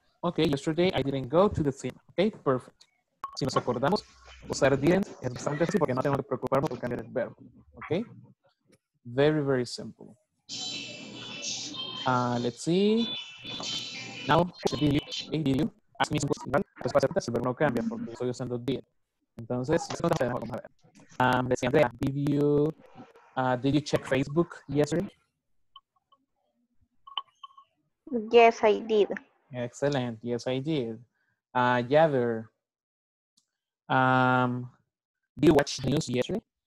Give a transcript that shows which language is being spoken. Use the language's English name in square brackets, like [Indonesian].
[English] Okay, yesterday, I didn't go to the cinema. Okay, perfect. [Spanish] Si nos acordamos, usar didn't es bastante así porque no tenemos que preocuparnos por cambiar el verbo. [English] Okay? Very, very simple. Let's see. Now, did you ask me some questions? [Spanish] El verbo no cambia porque estoy usando did. Entonces, vamos a ver. [English] Let's see, Andrea, did you check Facebook yesterday? Yes, I did. Excellent. Yes, I did. Yather, did you watch news yesterday?